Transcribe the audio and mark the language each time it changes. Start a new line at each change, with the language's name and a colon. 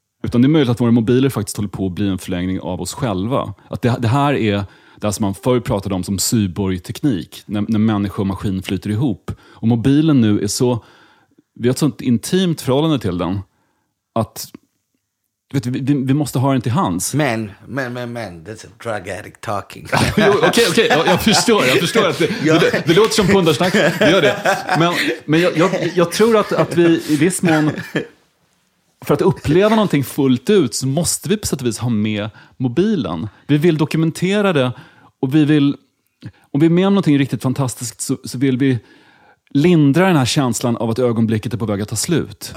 Swedish: Utan det är möjligt att våra mobiler faktiskt håller på att bli en förlängning av oss själva. Att det här är det som man förr pratade om som cyborgteknik. När människa och maskin flyter ihop. Och mobilen nu är så... Vi har ett sånt intimt förhållande till den. Att vet du, vi måste ha den till hands. Men.
English: That's a drug addict talking.
Swedish: Okej. Jag förstår att det låter som pundarsnack. Det gör det. Men jag tror att vi i viss mån... För att uppleva någonting fullt ut så måste vi på sätt och vis ha med mobilen. Vi vill dokumentera det och vi vill, om vi är med om någonting riktigt fantastiskt så vill vi lindra den här känslan av att ögonblicket är på väg att ta slut.